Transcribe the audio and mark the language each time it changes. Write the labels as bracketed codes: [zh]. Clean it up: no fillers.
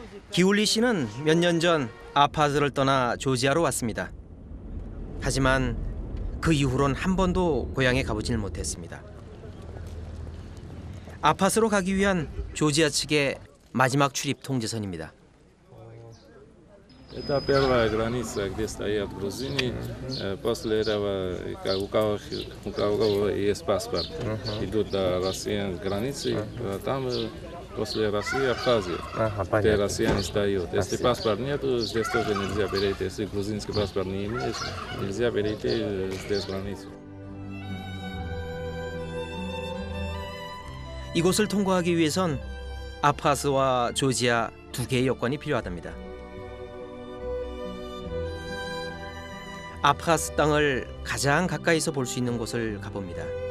[ko] 기울리 씨는 몇 년 전 아파스를 떠나 조지아로 왔습니다. 하지만 그 이후로는 한 번도 고향에 가보지는 못했습니다. 아파스로 가기 위한 조지아 측의 마지막 출입 통제선입니다. [ru] Это первая граница, где стоят грузины. После этого, как у кого есть паспорт, идут до России границы. Там после России Абхазия, где Россия не стоит. Если паспорт нет, здесь тоже нельзя перейти. Если грузинский паспорт не имеешь, нельзя перейти здесь границу. [ko] 이곳을 통과하기 위해선 아파스와 조지아 두 개의 여권이 필요하답니다. 아파스 땅을 가장 가까이서 볼 수 있는 곳을 가봅니다.